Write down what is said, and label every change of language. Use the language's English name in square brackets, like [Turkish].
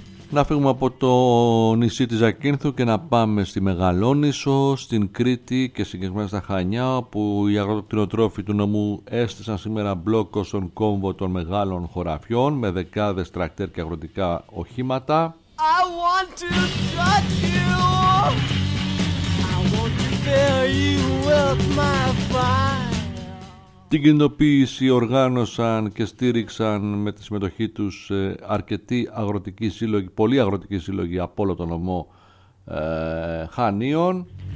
[Greek] Να φύγουμε από το νησί της Ζακύνθου και να πάμε στη Μεγαλόνησο, στην Κρήτη και συγκεκριμένα στα Χανιά, όπου οι αγροκτηνοτρόφοι του νομού έστησαν σήμερα μπλόκο στον κόμβο των μεγάλων χωραφιών με δεκάδες τρακτέρ και αγροτικά οχήματα. [English] I want to touch you. I want to fill you with my fire. [Greek] Την κινητοποίηση οργάνωσαν και στήριξαν με τη συμμετοχή τους αρκετοί αγροτικοί σύλλογοι, πολλοί αγροτικοί σύλλογοι από όλο τον νομό Χανίων.